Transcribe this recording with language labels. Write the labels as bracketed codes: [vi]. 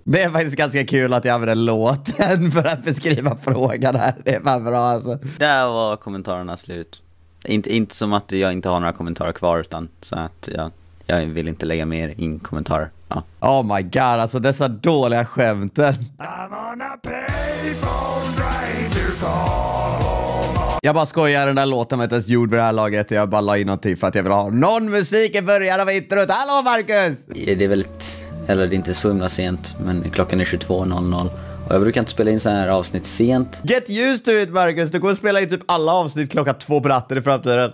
[sv] Det är faktiskt ganska kul att jag använder låten för att beskriva frågan här. Det är fan bra alltså. Där var kommentarerna slut. Inte som att jag inte har några kommentarer kvar, utan så att jag vill inte lägga mer in kommentarer. Ja. [en] Oh my god, [sv] alltså dessa dåliga skämten. [en] I'm on a payphone right to call. [sv] Jag bara skojar, den där låten var inte ens gjord vid det här laget. Jag bara la in någonting för att jag vill ha någon musik i början av introt. Hallå Marcus! Det är väldigt, eller det är inte så himla sent, men klockan är 22.00 och jag brukar inte spela in så här avsnitt sent. [en] Get used to it [sv] Marcus, du kommer spela in typ alla avsnitt klockan 2 på natten i framtiden.